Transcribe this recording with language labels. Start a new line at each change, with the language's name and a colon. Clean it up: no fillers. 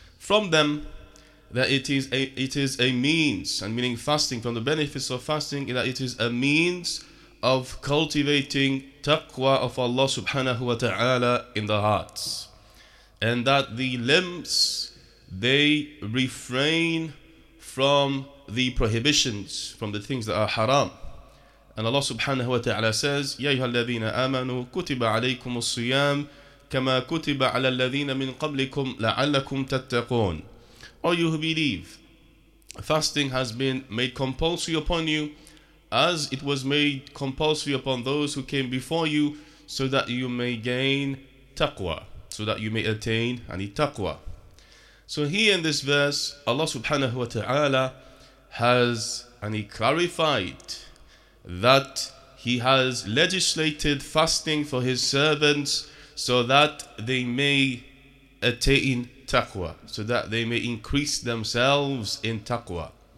English: From them, that it is a means, and meaning fasting, from the benefits of fasting, that it is a means of cultivating taqwa of Allah subhanahu wa ta'ala in the hearts. And that the limbs, they refrain from the prohibitions, from the things that are haram. And Allah subhanahu wa ta'ala says,
Arabic: يَا أَيُّهَا الَّذِينَ آمَنُوا كُتِبَ عَلَيْكُمُ الصِّيَامُ كَمَا كُتِبَ عَلَى الَّذِينَ مِنْ قَبْلِكُمْ لَعَلَّكُمْ تَتَّقُونَ.
English: Or you who believe, fasting has been made compulsory upon you as it was made compulsory upon those who came before you, so that you may gain taqwa, so that you may attain any taqwa. So here in this verse, Allah subhanahu wa ta'ala has clarified that He has legislated fasting for His servants so that they may attain taqwa, so that they may increase themselves in taqwa.